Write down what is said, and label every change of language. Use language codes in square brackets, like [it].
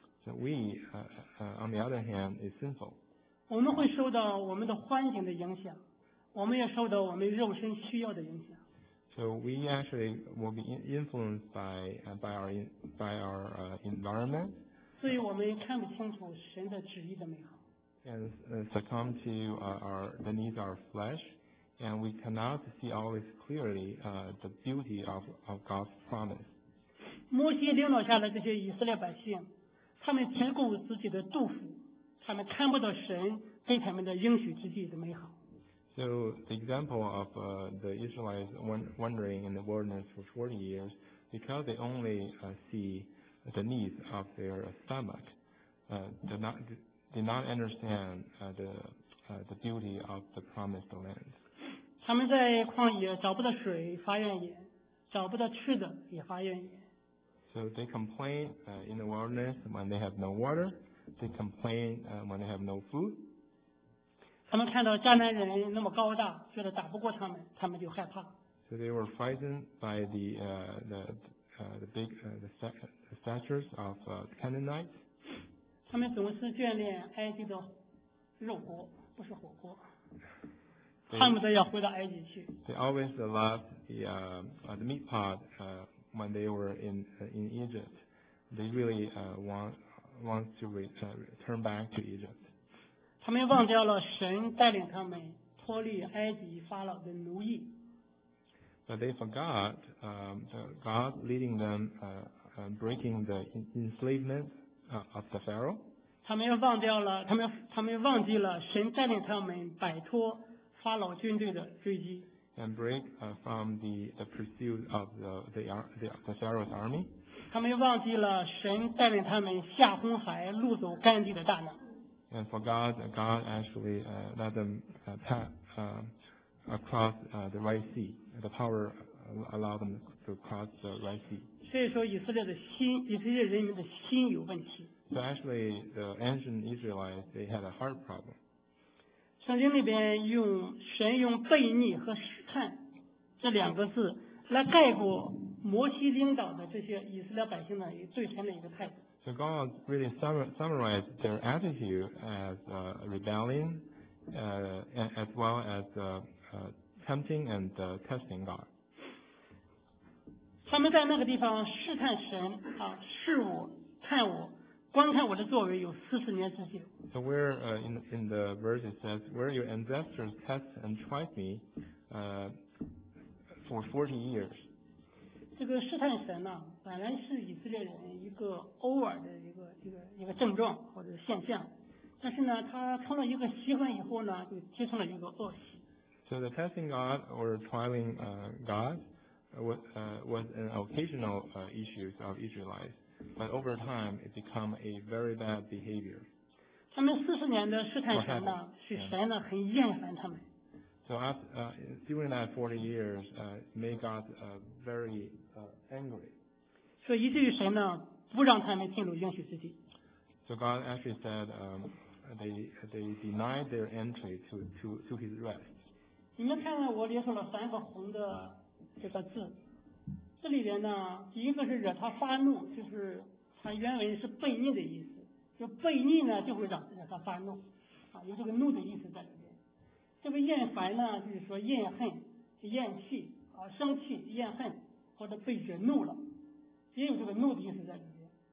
[en] So we, on the other hand, is sinful. [zh] 我们会受到我们的环境的影响，我们也受到我们肉身需要的影响。 [en] So we actually will be influenced by our environment. [zh] 所以我们看不清楚神的旨意的美好。 [en] And succumb to the needs of our flesh, and we cannot see always clearly the beauty of God's promise. [zh] 摩西领导下的这些以色列百姓，他们只顾自己的杜甫，他们看不到神给他们的应许之地的美好。 [en] So the example of the Israelites wandering in the wilderness for 40 years, because they only see the needs of their stomach, did not understand the beauty of the promised land. [zh] 他们在旷野找不到水发怨言，找不到吃的也发怨言。 [en] So they complain in the wilderness when they have no water. They complain when they have no food. [zh] 他们看到迦南人那么高大，觉得打不过他们，他们就害怕。 [en] So they were frightened by the statures of Canaanites. [zh] 他们总是眷恋埃及的肉锅，不是火锅，恨不得要回到埃及去。 [en] They always loved the meat pot when they were in Egypt. They really want wants to return back to Egypt. [zh] 他们忘掉了神带领他们脱离埃及法老的奴役。 [en] But they forgot God leading them breaking the enslavement of the Pharaoh. [zh] 他们忘记了神带领他们摆脱法老军队的追击。 [en] And break from the pursuit of the Pharaoh's army. [zh] 他们忘记了神带领他们下红海掳走甘地的大能。 [en] And forgot that God actually let them pass across the Red Sea. The power allowed them to cross the Red Sea. [zh] 所以说以色列的心，以色列人民的心有问题。 [en] So actually, the ancient Israelites, they had a heart problem. [zh] 圣经里边用神用悖逆和试探这两个字来概括摩西领导的这些以色列百姓的对神的一个态度。 [en] So God really summarized their attitude as rebellion, as well as tempting and testing God. [zh] 他们在那个地方试探神啊，试我，探我，观看我的作为有四十年之久。 [en] So where in the verse it says, where your ancestors test and tried me for 40 years. [zh] 这个试探神呢、啊，本来是以色列人一个偶尔的一个症状或者现象，但是呢，他成了一个习惯以后呢，就结成了一个恶习。 [en] So the testing God or trialing God was an occasional issues of Israelites, but over time it became a very bad behavior. [zh] 他们四十年的试探神呢，是神呢很厌烦他们。 [en] So after, during that 40 years, made God very angry. So [zh] 以至于神呢不让他们进入应许之地。 [en] So God actually said they denied their entry to His rest. [zh] 你们看看我列出了三个红的这个字，这里边呢，第一个是惹他发怒，就是它原文是悖逆的意思，就悖逆呢就会惹他发怒，啊，有这个怒的意思在里面。这个厌烦呢，就是说厌恨、厌弃啊，生气、厌恨，或者被惹怒了，也有这个怒的意思在里面。